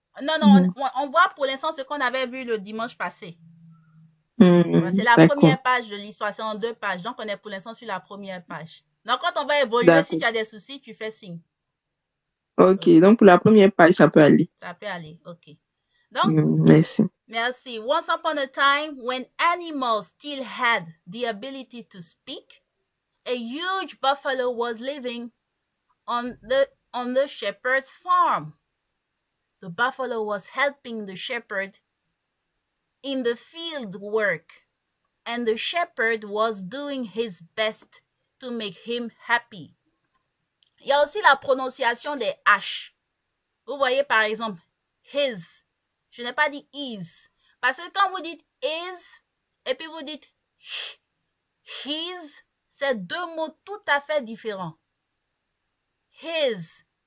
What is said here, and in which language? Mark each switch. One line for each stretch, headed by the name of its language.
French: Non, non, on voit pour l'instant ce qu'on avait vu le dimanche passé. C'est la première page de l'histoire, c'est en deux pages. Donc, on est pour l'instant sur la première page. Donc, quand on va évoluer, d'accord. Si tu as des soucis, tu fais signe. Ok, donc pour la première page, ça peut aller. Ça peut aller, ok. Donc, merci. Merci.
English: Once upon a time, when animals still had the ability to speak, a huge buffalo was living on the shepherd's farm. The buffalo was helping the shepherd in the field work, and the shepherd was doing his best to make him happy.
French: Il y a aussi la prononciation des H. Vous voyez, par exemple, his. Je n'ai pas dit is. Parce que quand vous dites is, et puis vous dites his, c'est deux mots tout à fait différents. His.